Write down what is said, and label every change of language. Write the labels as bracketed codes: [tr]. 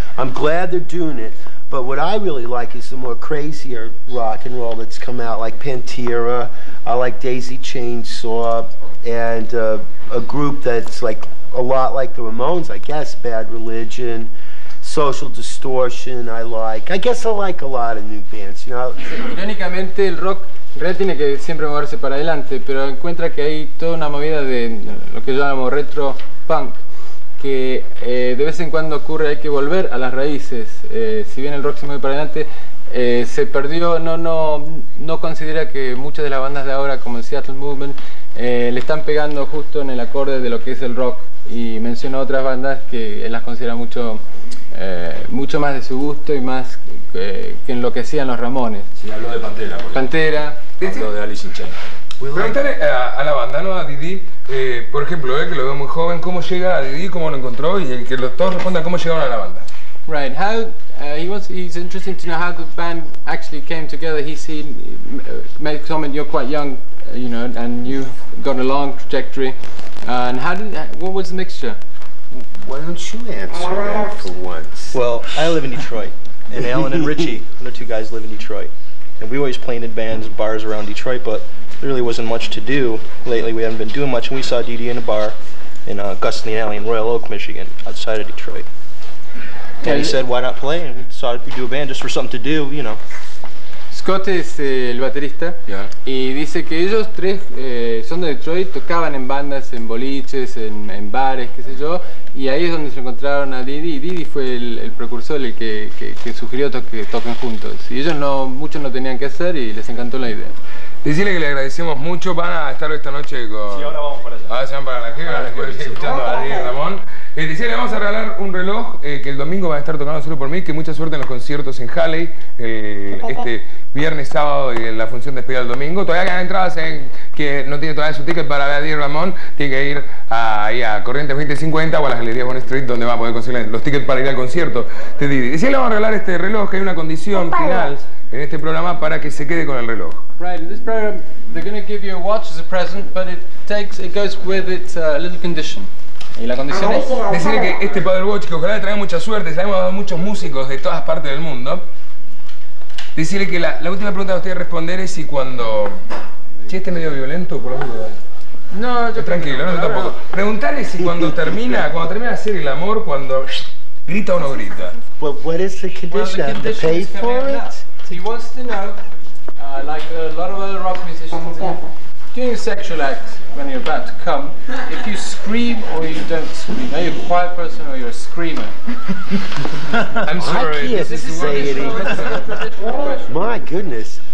[en] I'm glad they're doing it, but what I really like is the more crazier rock and roll that's come out, like Pantera. I like Daisy Chainsaw, and a group that's like a lot like the Ramones, I guess, Bad Religion. Social Distortion, I like. I guess I like a lot of new bands, you know. [es] Irónicamente, el rock en realidad tiene que siempre moverse para adelante, pero encuentra que hay toda una movida de lo que llamamos retro punk, que de vez en cuando ocurre, hay que volver a las raíces. Si bien el rock se mueve para adelante, se perdió, no considera que muchas de las bandas de ahora, como el Seattle Movement, le están pegando justo en el acorde de lo que es el rock. Y mencionó otras bandas que él las considera mucho, mucho más de su gusto y más que en lo que hacían los Ramones. Sí, habló de Pantera. Por Pantera. Habló de Alice in Chains. Preguntarle a la banda, ¿no? A Didi, por ejemplo, que lo veo muy joven, ¿cómo llega a Didi? ¿Cómo lo encontró? Y que los todos respondan, ¿cómo llegaron a la banda? [en] Right, how he's interesting to know how the band actually came together. He's seen, made a comment, you're quite young, you know, and you've got a long trajectory. And what was the mixture? Why don't you answer that for once? Well, I live in Detroit, and Alan and Richie, the two guys, live in Detroit. And we always played in bands and bars around Detroit, but there really wasn't much to do lately. We haven't been doing much, and we saw Didi in a bar in Gustin Alley in Royal Oak, Michigan, outside of Detroit. And he said, why not play? And so we do a band just for something to do, you know. [es] Scott es el baterista, yeah. Y dice que ellos tres son de Detroit, tocaban en bandas, en boliches, en bares, qué sé yo, y ahí es donde se encontraron a Didi, y Didi fue el precursor, el que sugirió que toquen juntos, y ellos no, muchos no tenían que hacer y les encantó la idea. Decirle que le agradecemos mucho, van a estar esta noche con... Sí, ahora vamos para allá. Ahora se van para la gira, escuchando a Didi y Ramón. Decirle, vamos a regalar un reloj que el domingo va a estar tocando Solo por mí, que mucha suerte en los conciertos en Halley, este viernes, sábado y en la función de despedida del domingo. Todavía quedan entradas, que no tiene todavía su ticket para ver a Didi y Ramón, tiene que ir ahí a Corrientes 2050 o a las galerías Bond Street, donde va a poder conseguir los tickets para ir al concierto de Didi. Decirle, vamos a regalar este reloj, que hay una condición final en este programa para que se quede con el reloj. [en] Right, in this program they're going to give you a watch as a present, but it goes with it a little condition. [es] ¿Y la condición es? Decirle que este Padel Watch, que ojalá le traiga mucha suerte, sabemos a muchos músicos de todas partes del mundo. Decirle que la última pregunta que usted va a responder es si cuando... Che, ¿este medio violento por las dudas? No, yo tranquilo, no, tampoco. Preguntarle si cuando termina de hacer el amor, cuando grita o no grita. [en] Well, what is the condition? The pay for it? He wants to know, like a lot of other rock musicians, during a sexual act, when you're about to come, if you scream or you don't scream. Are you a quiet person or you're a screamer? I'm sorry. I can't say anything. My goodness.